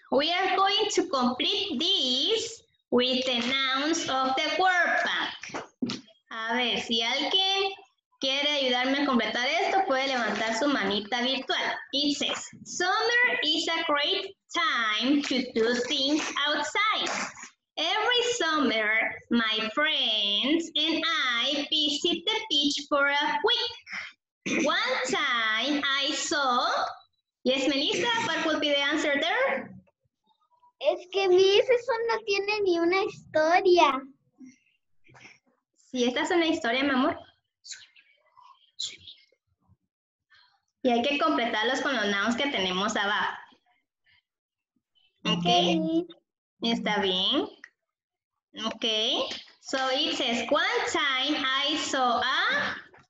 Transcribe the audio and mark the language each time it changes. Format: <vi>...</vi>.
<en>We are going to complete this with the nouns of the word pack.</en> <es>A ver, si alguien quiere ayudarme a completar esto, puede levantar su manita virtual.</es> <en>It says, summer is a great time to do things outside. Every summer, my friends and I visit the beach for a week. One time I saw... Yes, Melissa, what would be the answer there?</en> <es>Es que, Miss, eso no tiene ni una historia. Sí, esta es una historia, mi amor. Y hay que completarlos con los nouns que tenemos abajo.</es> <en>Ok.</en> <es>Está bien.</es> <en>Ok. So it says, one time I saw a</en>